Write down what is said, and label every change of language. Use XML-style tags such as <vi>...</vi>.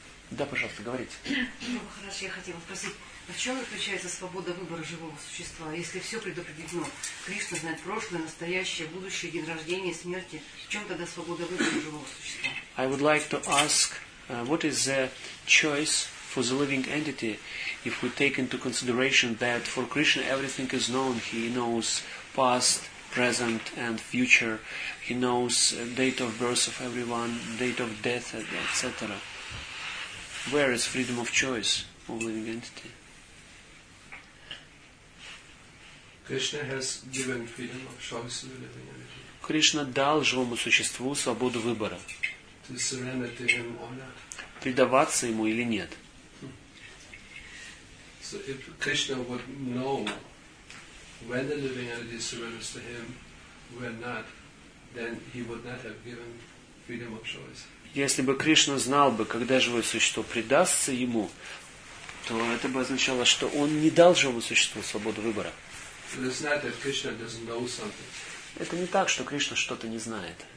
<ru>Да, пожалуйста, говорите. Хорошо, я хотела спросить. А в чем заключается свобода выбора живого существа, если все предопределено? Кришна знает прошлое, настоящее, будущее, день рождения, смерти. В чем тогда свобода выбора живого существа?</ru> <en>I would like to ask, what is the choice for the living entity if we take into consideration that for Krishna everything is known. He knows past, present and future. He knows date of birth of everyone, date of death, etc. Where is freedom of choice of living entity? Krishna has given freedom of choice to living entity.</en> <ru>Кришна дал живому существу свободу выбора.</ru> <en>To surrender to him or not.</en> <ru>Предаваться ему или нет.</ru> <en>So if Krishna would know when the living entity surrenders to him, when not, then he would not have given freedom of choice.</en> <ru>Если бы Кришна знал бы, когда живое существо предастся ему, то это бы означало, что он не дал живому существу свободу выбора. Это не так, что Кришна что-то не знает.</ru>